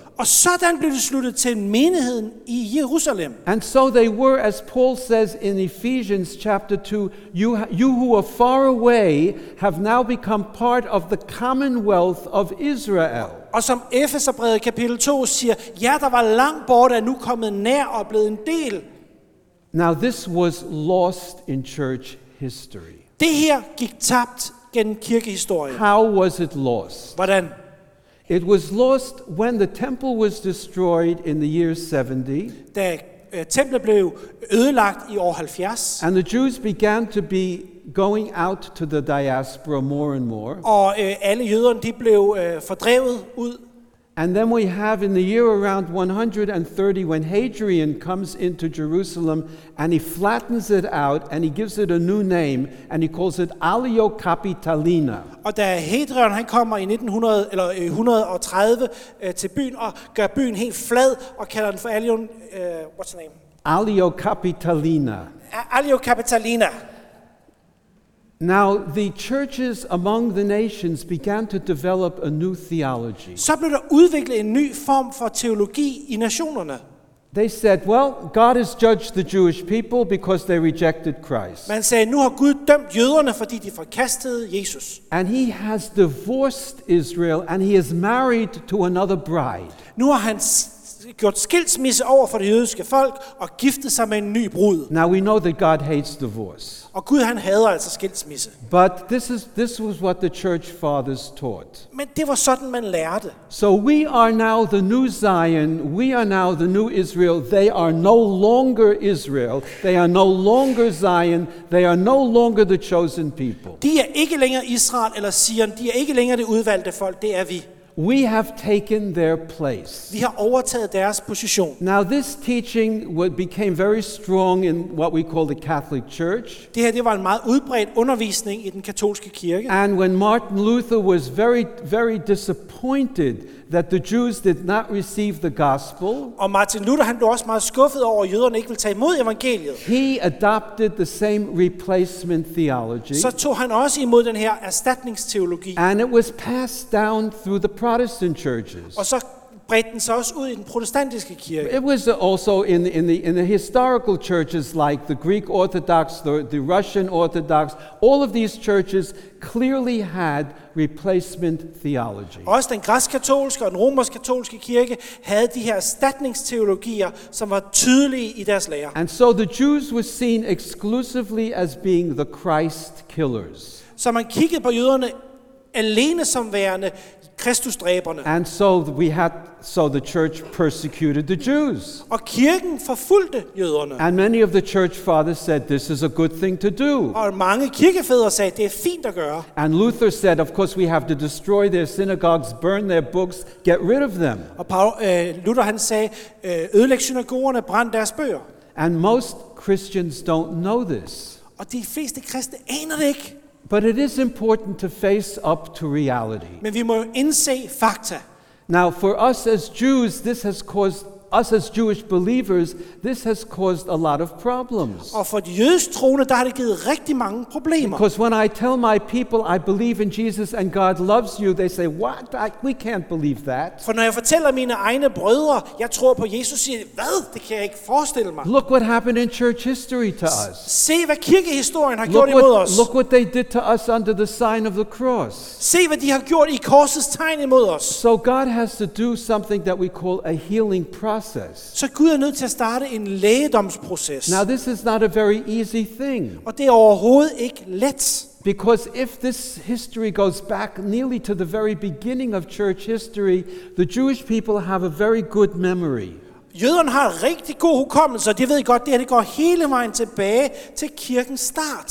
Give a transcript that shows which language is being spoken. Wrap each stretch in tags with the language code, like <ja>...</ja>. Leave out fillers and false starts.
<da>Og sådan blev det sluttet til menigheden i Jerusalem.</da> <en>And so they were, as Paul says in Ephesians chapter 2, you who are far away have now become part of the commonwealth of Israel.</en> <da>Og som Efeserbrevet kapitel 2 siger, jer der var langt bort er nu kommet nær og blevet en del.</da> <en>Now this was lost in church history.</en> <da>Det her gik tabt gennem kirkehistorien.</da> <en>How was it lost?</en> <da>Hvordan?</da> <en>It was lost when the temple was destroyed in the year 70.</en> <da>Da templet blev ødelagt i år 70.</da> <en>And the Jews began to be going out to the diaspora more and more.</en> <da>Og alle jøderne de blev fordrevet ud.</da> <en>And then we have in the year around 130 when Hadrian comes into Jerusalem and he flattens it out and he gives it a new name and he calls it Alio Capitalina.</en> <da>Og da Hadrian han kommer i 1900 eller 130 til byen og gør byen helt flad og kalder den for Alio</da> <en>what's the name? Alio Capitalina. Alio Capitalina. Now the churches among the nations began to develop a new theology.</en> <da>Så blev der udviklet en ny form for teologi i nationerne.</da> <en>They said, well, God has judged the Jewish people because they rejected Christ.</en> <da>Man sagde, nu har Gud dømt jøderne fordi de forkastede Jesus.</da> <en>And he has divorced Israel and he is married to another bride.</en> <da>Nu har han gjort skilsmisse over for det jødiske folk og giftet sig med en ny brud.</da> <en>Now we know that God hates divorce.</en> <da>Og Gud han hader altså skilsmisse.</da> <en>But this was what the church fathers taught.</en> <da>Men det var sådan man lærte.</da> <en>So we are now the new Zion, we are now the new Israel. They are no longer Israel. They are no longer Zion. They are no longer the chosen people.</en> <da>De er ikke længere Israel eller Sion, de er ikke længere det udvalgte folk, det er vi.</da> <en>We have taken their place.</en> <da>Vi har overtaget deres position.</da> <en>Now this teaching became very strong in what we call the Catholic Church.</en> <da>Det her, det var en meget udbredt undervisning i den katolske kirke.</da> <en>And when Martin Luther was very, very disappointed that the Jews did not receive the gospel.</en> <da>Og Martin Luther, han blev også meget skuffet over, at jøderne ikke ville tage imod evangeliet.</da> <en>He adopted the same replacement theology.</en> <da>Så tog han også imod den her erstatningsteologi.</da> <en>And it was passed down through the Protestant churches.</en> <da>Og så bredte den sig også ud i den protestantiske kirke.</da> <en>It was also in the historical churches like the Greek Orthodox, the Russian Orthodox. All of these churches clearly had replacement theology.</en> <da>Også den græsk-katolske og den romersk-katolske kirke havde de her erstatningsteologier, som var tydelige i deres lære.</da> <en>And so the Jews were seen exclusively as being the Christ killers.</en> <da>Så man kiggede på jøderne alene som værende Kristusdræberne.</da> <en>And so the church persecuted the Jews.</en> <da>Og kirken forfulgte jøderne.</da> <en>And many of the church fathers said this is a good thing to do.</en> <da>Og mange kirkefædre sagde det er fint at gøre.</da> <en>And Luther said of course we have to destroy their synagogues, burn their books, get rid of them.</en> <da>Og Luther han sagde ødelæg synagogerne, brænd deres bøger.</da> <en>And most Christians don't know this.</en> <da>Og de fleste kristne aner det ikke.</da> <en>But it is important to face up to reality.</en> <da>Men vi må indse fakta.</da> <en>Now, for us as Jews, this has caused us as Jewish believers, this has caused a lot of problems.</en> <da>Og for de jødiske troende, der har det givet rigtig mange problemer.</da> <en>Because when I tell my people I believe in Jesus and God loves you, they say, "What? We can't believe that."</en> <da>For når jeg fortæller mine egne brødre, jeg tror på Jesus, siger de, "Hvad? Det kan jeg ikke forestille mig."</da> <en>Look what happened in church history to us.</en> <da>Se hvad kirkehistorien har gjort imod os.</da> <en>Look what they did to us under the sign of the cross.</en> <da>Se hvad de har gjort i korsets tegn imod os.</da> <en>So God has to do something that we call a healing process.</en> <da>Så Gud er nødt til at starte en lægedomsproces.</da> <en>Now this is not a very easy thing.</en> <da>Og det er overhovedet ikke let.</da> <en>Because if this history goes back nearly to the very beginning of church history, the Jewish people have a very good memory.</en> <da>Jøderne har rigtig god hukommelse, og de ved godt, det her, det går hele vejen tilbage til kirkens start.</da>